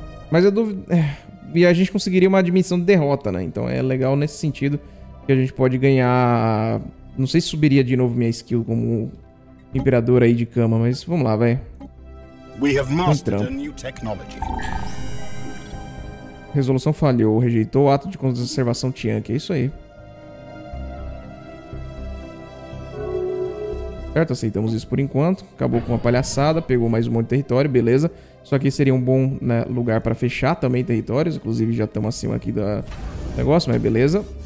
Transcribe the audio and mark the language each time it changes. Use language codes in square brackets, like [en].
[pt] Mas eu duvido... E a gente conseguiria uma admissão de derrota, né? Então é legal nesse sentido que a gente pode ganhar... Não sei se subiria de novo minha skill como imperador aí de cama, mas vamos lá, vai. [en] We have mastered a new technology. [pt] Resolução falhou, rejeitou o ato de conservação Tian, que é isso aí. Certo, aceitamos isso por enquanto. Acabou com uma palhaçada, pegou mais um monte de território, beleza. Só que seria um bom, né, lugar para fechar também territórios. Inclusive já estamos acima aqui do negócio, mas beleza.